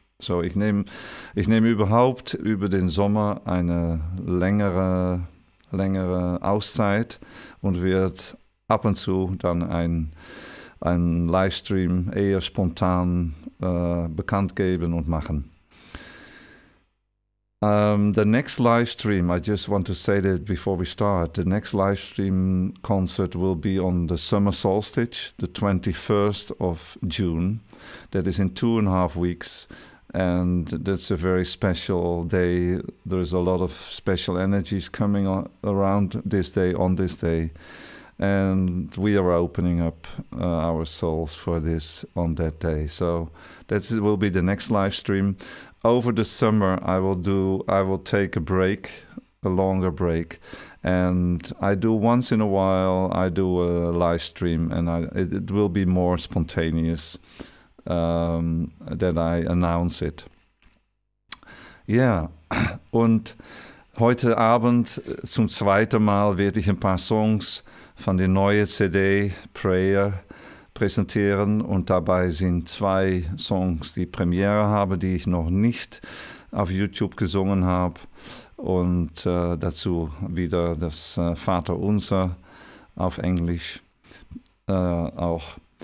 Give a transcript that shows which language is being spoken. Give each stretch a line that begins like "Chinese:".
German: So, ich nehm überhaupt über den Sommer eine längere Auszeit und werde ab und zu dann ein Livestream eher spontan bekannt geben und machen.
English: The next live stream, I just want to say that before we start, the next live stream concert will be on the summer solstice, the 21st of June. That is in 2.5 weeks, and that's a very special day. There is a lot of special energies coming around this day, on this day, and we are opening up our souls for this on that day. So that will be the next live stream. Over the summer, I will take a break, a longer break, and I do once in a while, I do a live stream, and it will be more spontaneous that I announce it.
German: Yeah, und heute Abend zum zweiten Mal werde ich ein paar Songs von der neue CD Prayer präsentieren und dabei sind zwei Songs, die Premiere haben, die ich noch nicht auf YouTube gesungen habe und dazu wieder das Vater Unser auf Englisch auch.